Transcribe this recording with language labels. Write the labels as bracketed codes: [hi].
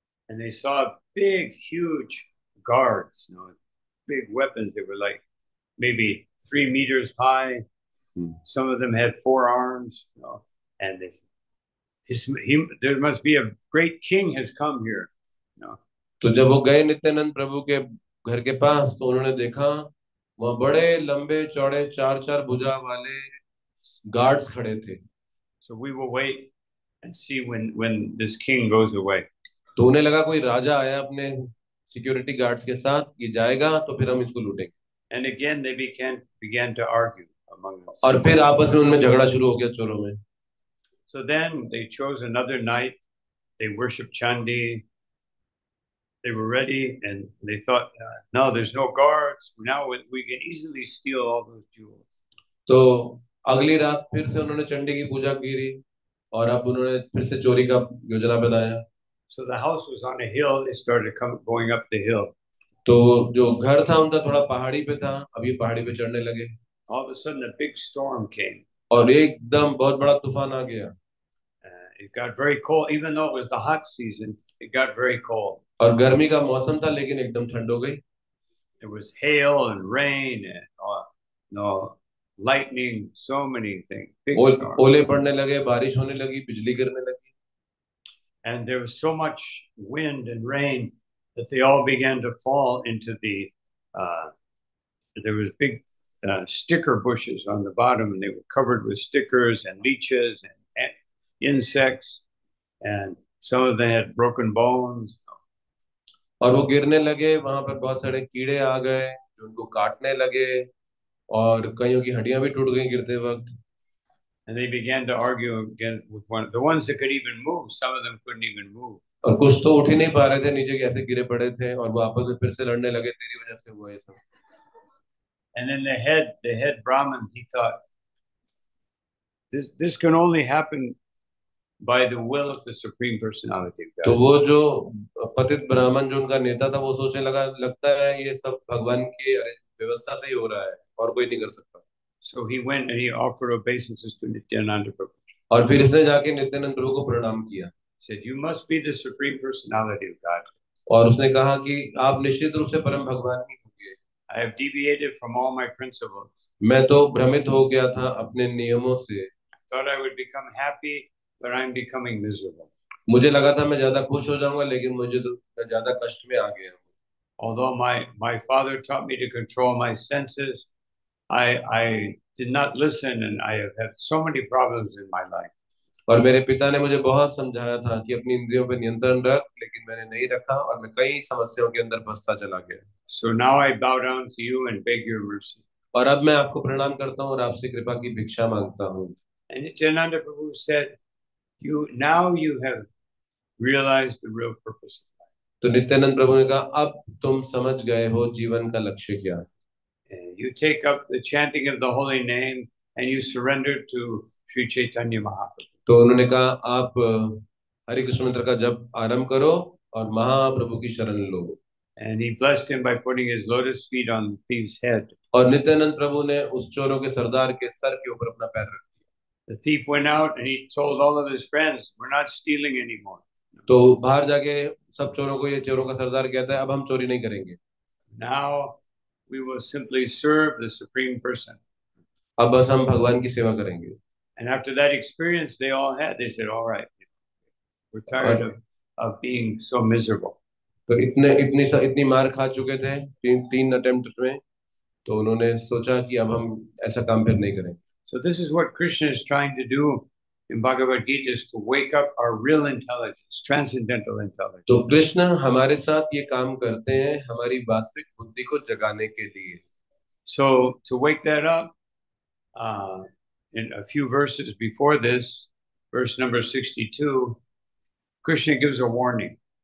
[en] And they saw big, huge guards, you know, big weapons. They were like maybe 3 meters high. Some of them had 4 arms, you know. And they said, there must be a great king has come here, you know. [hi] तो जब वो गए नित्यानंद प्रभु के घर के पास तो उन्होंने देखा वहां बड़े लंबे चौड़े चार चार भुजा वाले गार्ड्स खड़े थे. [en] So we will wait and see when this king goes away. [hi] तो उन्हें लगा कोई राजा आया अपने सिक्योरिटी गार्ड्स के साथ ये जाएगा तो फिर हम इसको लूटेंगे. [en] And again they began to argue among themselves. [hi] और फिर आपस में उनमें झगड़ा शुरू हो गया चोरों में. [en] So then they chose another night. They worship Chandi. They were ready and they thought, no, there's no guards. Now we can easily steal all those jewels. [hi] तो अगली रात फिर से उन्होंने चंडी की पूजा की और अब उन्होंने फिर से चोरी का योजना बनाया. [en] So the house was on a hill. They started going up the hill. [hi] तो जो घर था उनका थोड़ा पहाड़ी पे था अब ये पहाड़ी पे चढ़ने लगे. [en] All of a sudden a big storm came. [hi] और एकदम बहुत बड़ा तूफान आ गया. [en] It got very cold. Even though it was the hot season, it got very cold. [hi] और गर्मी का मौसम था लेकिन एकदम ठंड हो गई. [en] It was hail and rain and lightning, so many things. [hi] ओले पड़ने लगे, बारिश होने लगी, बिजली गिरने लगी. [en] And there was so much wind and rain that they all began to fall into the there was big sticker bushes on the bottom, and they were covered with stickers and leeches and insects, and some of them had broken bones. [hi] और वो गिरने लगे वहां पर बहुत सारे कीड़े आ गए जो उनको काटने लगे और कईयों की हड्डियां भी टूट गई गिरते वक्त [en] and they began to argue again with one the ones that could even move some of them couldn't even move [hi] और कुछ तो उठ ही नहीं पा रहे थे नीचे कैसे गिरे पड़े थे और वो आपस में फिर से लड़ने लगे तेरी वजह से हुआ ये सब [en] and then the head brahmin he thought this can only happen by the will of the supreme personality of god [hi] तो वो जो पतित ब्राह्मण जो उनका नेता था वो सोचने लगा लगता है ये सब भगवान की व्यवस्था से ही हो रहा है और कोई नहीं कर सकता [en] so he went and he offered obeisances to nityananda prabhu [hi] और फिर इसने जाके नित्यानंद प्रभु को प्रणाम किया [en] said you must be the supreme personality of god [hi] और उसने कहा कि आप निश्चित रूप से परम भगवान ही होंगे [en] i have deviated from all my principles [hi] मैं तो भ्रमित हो गया था अपने नियमों से [en] thought i would become happy But I'm becoming miserable. [hi] मुझे लगा था मैं ज्यादा खुश हो जाऊंगा लेकिन मुझे तो ज्यादा कष्ट में आ गया [en] Although my father taught me to control my senses, I did not listen and I have had so many problems in my life. [hi] और मेरे पिता ने मुझे बहुत समझाया था कि अपनी इंद्रियों पर नियंत्रण रख लेकिन मैंने नहीं रखा और मैं कई समस्याओं के अंदर फंसता चला गया [en] So now I bow down to you and beg your mercy. [hi] और अब मैं आपको प्रणाम करता हूँ और आपसे कृपा की भिक्षा मांगता हूँ [en] And Nityananda Prabhu said, Now you have realized the real purpose of life. [hi] तो नित्यानंद प्रभु ने कहा अब तुम समझ गए हो जीवन का लक्ष्य क्या [en] You take up the chanting of the holy name and you surrender to Sri Chaitanya Mahaprabhu. [hi] तो उन्होंने कहा आप हरि कृष्ण मंत्र का जप आरंभ करो और महाप्रभु की शरण लो [en] And he blessed him by putting his lotus feet on the thief's head. [hi] और नित्यानंद प्रभु ने उस चोरों के सरदार के सर के ऊपर अपना पैर रखा [en] The thief went out and he told all of his friends, "We're not stealing anymore." [hi] तो बाहर जाके सब चोरों को ये चोरों का सरदार कहता है अब हम चोरी नहीं करेंगे. [en] Now we will simply serve the supreme person. [hi] अब बस हम भगवान की सेवा करेंगे. [en] And after that experience, they all had. They said, "All right, we're tired of being so miserable." [hi] तो इतनी मार खा चुके थे तीन अटेम्प्ट में तो उन्होंने सोचा कि अब हम ऐसा काम फिर नहीं करेंगे. [en] So this is what Krishna is trying to do in Bhagavad Gita is to wake up our real intelligence, transcendental intelligence. [hi] तो कृष्ण हमारे साथ ये काम करते हैं हमारी वास्तविक बुद्धि को जगाने के लिए. [en] So to wake that up, in a few verses before this, verse number 62, Krishna gives a warning.